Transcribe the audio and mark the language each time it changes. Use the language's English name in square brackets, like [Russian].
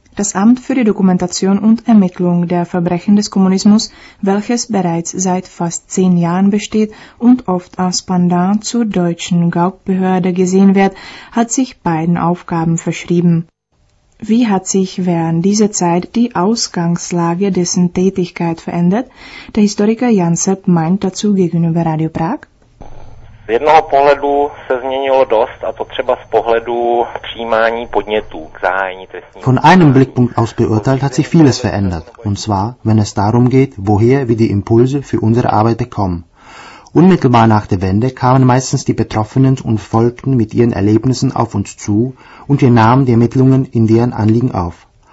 [German] Das Amt für die Dokumentation und Ermittlung der Verbrechen des Kommunismus, welches bereits seit fast 10 Jahren besteht und oft als Pendant zur deutschen Gaukbehörde gesehen wird, hat sich beiden Aufgaben verschrieben. Wie hat sich während dieser Zeit die Ausgangslage dessen Tätigkeit verändert? Der Historiker Jan Srb meint dazu gegenüber Radio Prag. [Czech] Z jednoho pohledu se změnilo dost, a to třeba z pohledu přijímání podnětů k zahájení trestního. [German] Von einem Blickpunkt aus beurteilt hat sich vieles verändert, und zwar, wenn es darum geht, woher wir die Impulse für unsere Arbeit bekommen. Unmittelbar nach der Wende kamen meistens die Betroffenen und folgten mit ihren Erlebnissen auf uns zu, und wir nahmen die Ermittlungen in deren Anliegen auf.